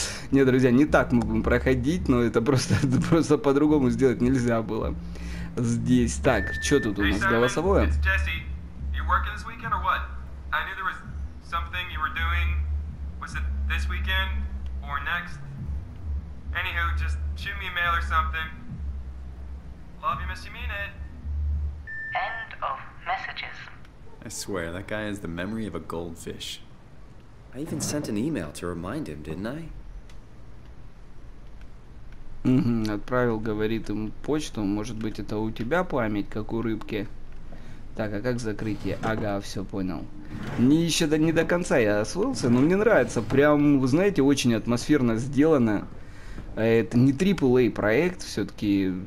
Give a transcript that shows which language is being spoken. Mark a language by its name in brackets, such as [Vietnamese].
[Russian] Не, друзья, не так мы будем проходить, но это просто по-другому сделать нельзя было. здесь. Так, что тут у нас? [English] Hey, [Russian] голосовое? [English] It's Jesse. You working this weekend or what? I knew there was something you were doing. Was it this weekend or next? Anywho, just shoot me a mail or something. Love you, miss you, mean it. End of messages. I swear, that guy has the memory of a goldfish. I even sent an email to remind him, didn't I? [Russian] Отправил, говорит, ему почту. Может быть, это у тебя память, как у рыбки. Так, а как закрытие? Ага, все понял. Не еще не до конца я освоился, но мне нравится. Прям, вы знаете, очень атмосферно сделано. Это не AAA проект, все-таки.